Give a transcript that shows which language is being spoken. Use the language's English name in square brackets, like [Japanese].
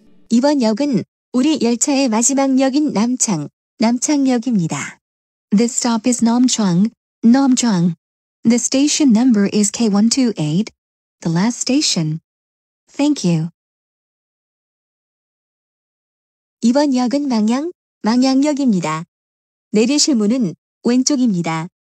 [Korean] 이번 역은 우리 열차의 마지막 역인 남창역입니다. [English] This stop is Namchang. The station number is K128, the last station. Thank you. [Korean] 이번 역은 망양역입니다. 내리실 문은 왼쪽입니다.